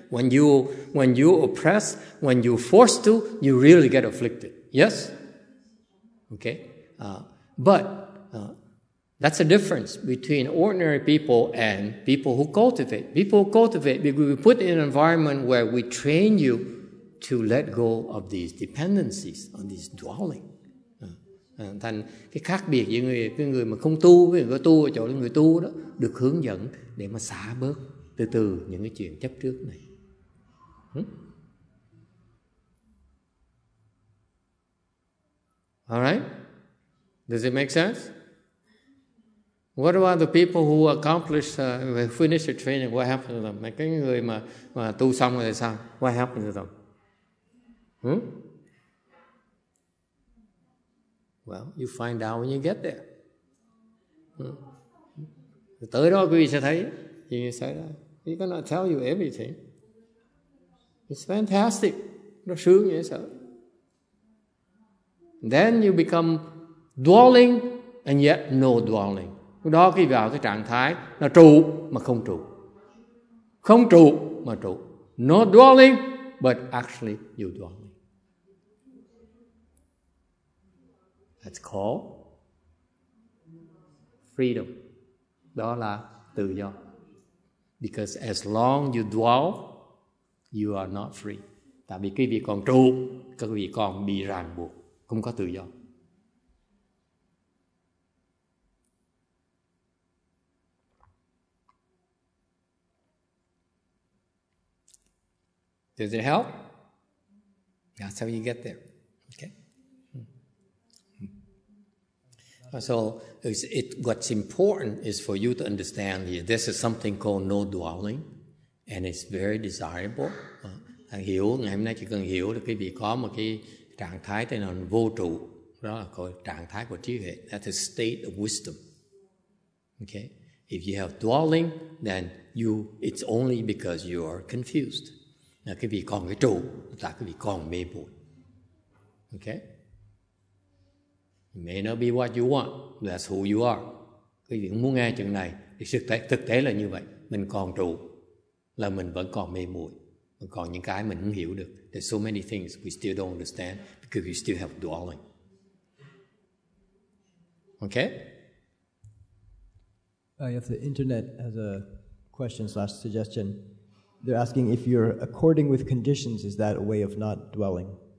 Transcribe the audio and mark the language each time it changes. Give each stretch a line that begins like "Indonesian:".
English: When you oppress, when you forced to, you really get afflicted. Yes? Okay? That's the difference between ordinary people and people who cultivate. People who cultivate, we put in an environment where we train you to let go of these dependencies, on this dwelling.
Vietnamese: Thành cái khác biệt giữa người mà không tu với người tu ở chỗ người tu đó được hướng dẫn để mà xả bớt từ từ những cái chuyện chấp trước này.
English: All right? Does it make sense? What about the people who accomplish, who finish their training? What happened to them?
Vietnamese: Mấy cái người mà tu xong rồi sao?
English: What happened to them? Well, you find out when you get there.
Vietnamese: Tới đó quý vị sẽ thấy.
English: He's going to tell you everything. It's fantastic.
Vietnamese: Nó sướng như sao?
English: Then you become dwelling and yet no dwelling.
Vietnamese: Đó khi vào cái trạng thái là trụ mà không trụ. Không trụ mà trụ.
English: Not dwelling, but actually you dwelling. That's called freedom.
Vietnamese: Đó là tự do.
English: Because as long you dwell, you are not free.
Vietnamese: Tại vì quý vị còn trụ, quý vị còn bị ràng buộc, không có tự do.
English: Does it help? That's how you get there. Okay. So what's important is for you to understand here. This is something called no dwelling, and it's very desirable.
Vietnamese: Hiểu ngày hôm nay chỉ cần hiểu là quý vị có một cái trạng thái tên là vô trụ, đó là trạng thái của trí huệ.
English: That's a state of wisdom. Okay. If you have dwelling, then it's only because you are confused.
Vietnamese: Là cái vị còn cái trụ, là cái vị còn mê bụi.
English: Okay? It may not be what you want, that's who you are.
Vietnamese: Cái vị muốn nghe chuyện này, thì thực tế là như vậy. Mình còn trụ, là mình vẫn còn mê bụi. Mình còn những cái mình không hiểu được.
English: There's so many things we still don't understand because we still have dwelling. Okay? If the internet has a question / suggestion, they're asking if you're according with conditions, is that a way of not dwelling?